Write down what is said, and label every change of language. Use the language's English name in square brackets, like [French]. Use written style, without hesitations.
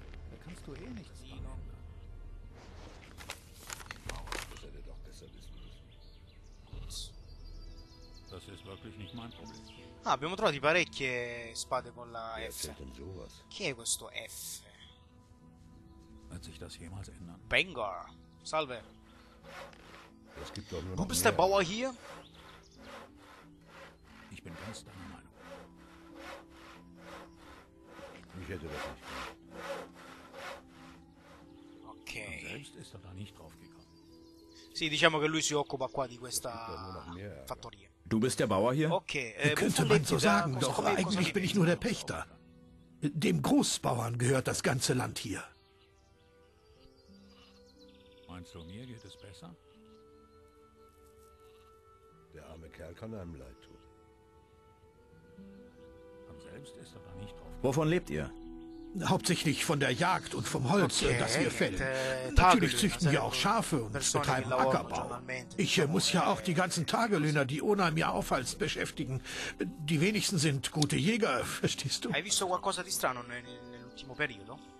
[German] Da kannst du eh nichts machen. [Italian] Ah, abbiamo trovato parecchie spade con la F. Chi è questo F? [German] Wird sich das jemals ändern? [Italian] Bengar. Salve. [German] Es gibt doch nur du bist der Bauer hier? Ich bin ganz deiner Meinung. Ich hätte das nicht gemacht. Okay. Und selbst ist er da nicht drauf gekommen. [Italian] Sì, diciamo che lui si occupa qua di questa fattoria. [German] Du bist der Bauer hier? Okay. Wie könnte man so sagen? Doch eigentlich bin ich nur der Pächter. Dem Großbauern gehört das ganze Land hier. Meinst du, mir geht es besser? Der arme Kerl kann einem leid tun. Am selbst ist aber nicht drauf. Wovon lebt ihr? Hauptsächlich von der Jagd und vom Holz, okay, das wir fällen. Natürlich züchten wir auch Schafe und betreiben Ackerbau. Ich muss ja auch die ganzen Tagelöhner, die Onaim ja aufhalst, beschäftigen. Die wenigsten sind gute Jäger, verstehst du? [Italian] Hai visto qualcosa di strano nell'ultimo periodo?